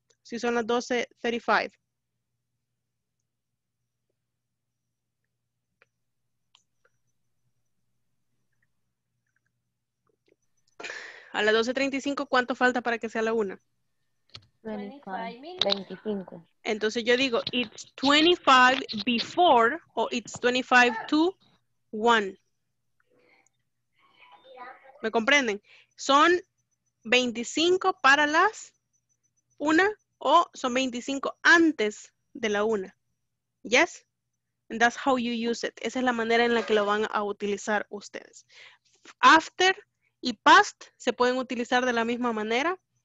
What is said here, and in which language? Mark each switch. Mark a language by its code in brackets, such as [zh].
[es] Si son las 12:35. A las 12:35, ¿cuánto falta para que sea la 1? 25. Entonces yo digo, [en] it's 25 before o it's 25 to 1. [es] ¿Me comprenden? ¿Son 25 para las 1 o son 25 antes de la 1? ¿Yes? [en] And that's how you use it. [es] Esa es la manera en la que lo van a utilizar ustedes. After y past se pueden utilizar de la misma manera.